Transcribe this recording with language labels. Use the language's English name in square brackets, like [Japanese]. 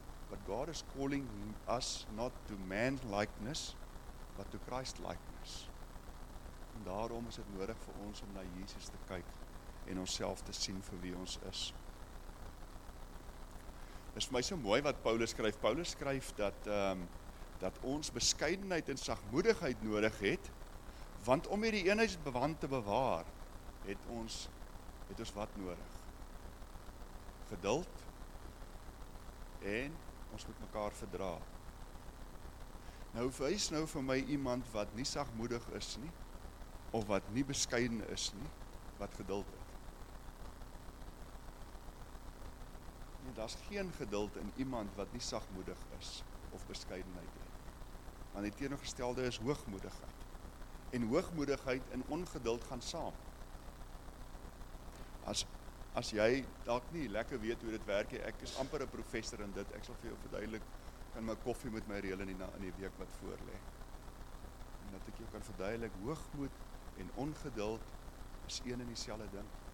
[English] But God is calling us not to man-likeness, but to Christ-likeness. [Afrikaans] En daarom is dit nodig vir ons om na Jesus te kyk en onsself te sien vir wie ons is. Dit is vir my so mooi wat Paulus skryf. Paulus skryf dat ons bescheidenheid en sagmoedigheid nodig het, want om hierdie eenheidsbewand te bewaar, het ons wat nodig? Geduld en ons moet mekaar verdra. Nou wys nou vir my iemand wat nie sagmoedig is nie, of wat nie bescheiden is nie, wat geduld het. Nee, daar is geen geduld in iemand wat nie sagmoedig is, of bescheidenheid het. Want die teenoorgestelde is hoogmoedigheid. En hoogmoedigheid en ongeduld gaan saam. As jy dalk nie lekker weet hoe dit werk, ek is amper 'n professor in dit, ek sal vir jou verduidelik, kan my koffie met my reël in die week wat voorlê. En dat ek jou kan verduidelik, hoogmoed en ongeduld is een en dieselfde ding.